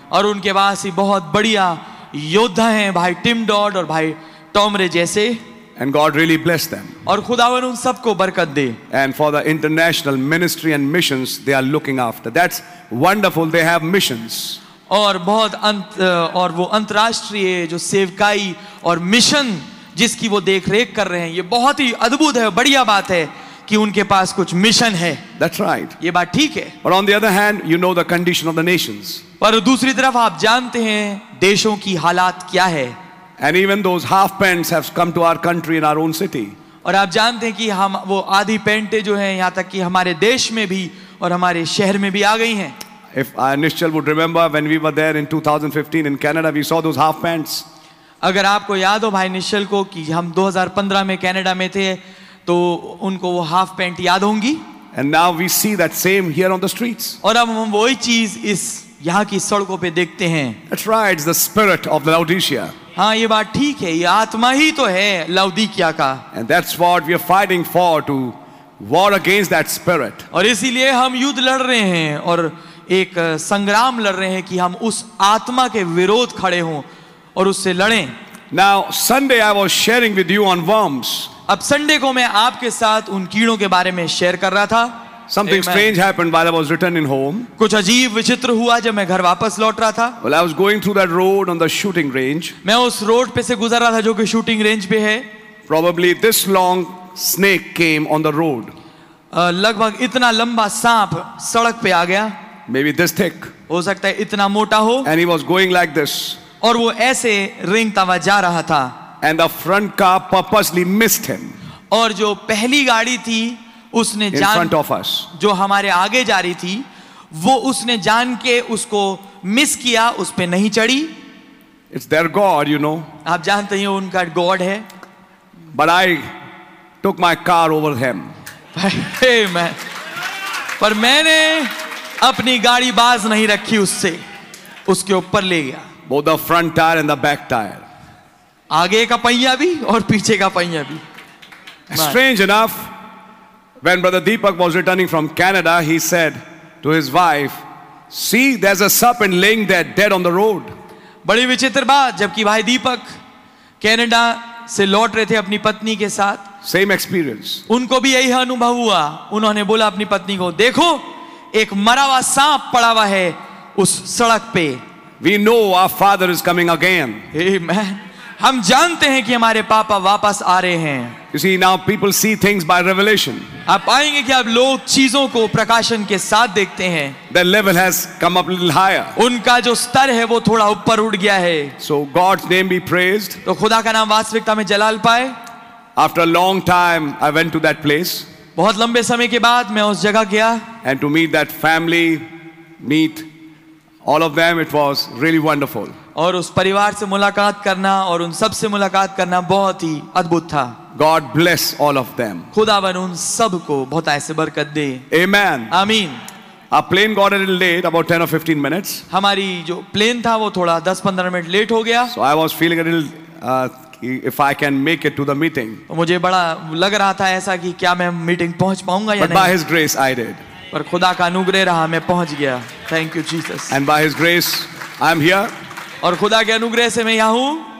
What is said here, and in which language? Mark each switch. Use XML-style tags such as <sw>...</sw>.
<hi>और उनके पास ही बहुत बढ़िया योद्धा हैं भाई टिम डॉड और भाई टॉम रे जैसे.</hi> <en>And God really bless them.</en> <hi>और खुदावन उन सबको बरकत दे.</hi> <en>And for the international ministry and missions they are looking after. That's wonderful. They have missions.</en> <hi>और बहुत और वो अंतर्राष्ट्रीय जो सेवकाई और मिशन जिसकी वो देख रेख कर रहे हैं ये बहुत ही अद्भुत है. बढ़िया बात है कि उनके पास कुछ मिशन है.</hi> <en>That's right.</en> <hi>ये बात ठीक है.</hi> <en>But on the other hand, you know the condition of the nations.</en> <hi>पर दूसरी तरफ आप जानते हैं देशों की हालात क्या है.</hi> <en>And even those half pence have come to our country in our own city.</en> <hi>और आप जानते हैं कि हम वो आधी पेंटे जो है यहाँ तक कि हमारे देश में भी और हमारे शहर में भी आ गई है.</hi> <en>If Anishchal would remember when we were there in 2015 in Canada, we saw those half pants.</en> <hi>अगर आपको याद हो भाई निश्चल को कि हम 2015 में कनाडा में थे तो उनको वो हाफ पैंट याद होंगी.</hi> <en>And now we see that same here on the streets.</en> <hi>और अब हम वही चीज इस यहाँ की सड़कों पे देखते हैं.</hi> <en>That's right, it's the spirit of Laodicea.</en> <hi>हाँ ये बात ठीक है. ये आत्मा ही तो है लौदीकिया का.</hi> <en>And that's what we are fighting for, to war against that spirit.</en> <hi>और इसीलिए हम युद्ध लड़ रहे हैं और एक संग्राम लड़ रहे हैं कि हम उस आत्मा के विरोध खड़े हों और उससे लड़ें.</hi> <en>Now Sunday I was sharing with you on worms.</en> <hi>अब संडे को मैं आपके साथ उन कीड़ों के बारे में शेयर कर रहा था.</hi> <en>Something strange happened while I was returning home.</en> <hi>कुछ अजीब विचित्र हुआ जब मैं घर वापस लौट रहा था.</hi> <en>Well, I was going through that road on the shooting range.</en> <hi>मैं उस रोड पे से गुजर रहा था जो कि शूटिंग रेंज पे है.</hi> <en>Probably this long snake came on the road.</en> <hi>लगभग इतना लंबा सांप सड़क पे आ गया.</hi> <en>maybe this thick.</en> <hi>हो सकता है इतना मोटा हो.</hi> <en>And he was going like this.</en> <hi>और वो ऐसे रेंगता हुआ जा रहा था.</hi> <en>And the front car purposely missed him.</en> <hi>और जो पहली गाड़ी थी उसने</hi> <en>जान, in front of us.</en> <hi>जो हमारे आगे जा रही थी वो उसने जान के उसको मिस किया, उस पे नहीं चढ़ी.</hi> <en>It's their God, you know.</en> <hi>आप जानते हैं उनका God है.</hi> <en>But I took my car over him. Amen.</en> <hi>पर मैंने अपनी गाड़ी बाज नहीं रखी उससे, उसके ऊपर ले गया.</hi> <en>Both the front tire and the back tire.</en> <hi>आगे का पहिया भी और पीछे का पहिया भी.</hi> <en>Strange enough, when Brother Deepak was returning from Canada, he said to his wife, "See, there's a serpent laying there, dead on the road."</en> <hi>बड़ी विचित्र बात, जबकि भाई दीपक कनाडा से लौट रहे थे अपनी पत्नी के साथ.</hi> <en>Same experience.</en> <hi>उनको भी यही अनुभव हुआ. उन्होंने बोला अपनी पत्नी को, देखो एक मरा हुआ सांप पड़ा हुआ है उस सड़क पे.</hi> <en>We know our father is coming again. Amen.</en> <hi>हम जानते हैं कि हमारे पापा वापस आ रहे हैं.</hi> <en>You see, now people see things by revelation.</en> <hi>आप पाएंगे कि अब लोग चीजों को प्रकाशन के साथ देखते हैं.</hi> <en>The level has come up a little higher.</en> <hi>उनका जो स्तर है वो थोड़ा ऊपर उड़ गया है.</hi> <en>So God's name be praised.</en> <hi>तो खुदा का नाम वास्तविकता में जलाल पाए.</hi> <en>After a long time, I went to that place.</en> <hi>बहुत लंबे समय के बाद मैं उस जगह गया.</hi> <en>And to meet that family, meet all of them, it was really wonderful.</en> <hi>और उस परिवार से मुलाकात करना और उन सब से मुलाकात करना बहुत ही अद्भुत था.</hi> <en>God bless all of them.</en> <hi>खुदावन उन सब को बहुत ऐसे बरकत दे.</hi> <en>Amen.</en> <hi>आमीन.</hi> <en>Our plane got a little late, about 10 or 15 minutes.</en> <hi>हमारी जो प्लेन था वो थोड़ा 10-15 मिनट लेट हो गया.</hi> <en>So I was feeling a little if I can make it to the meeting.</en> <hi>मुझे बड़ा लग रहा था ऐसा कि क्या मैं मीटिंग पहुंच पाऊंगा या</hi> <en>नहीं. But by His grace I did.</en> <hi>पर खुदा का अनुग्रह रहा मैं पहुंच गया.</hi> <en>Thank you Jesus. And by His grace I'm here.</en> <hi>और खुदा के अनुग्रह से मैं यहाँ हूँ.</hi>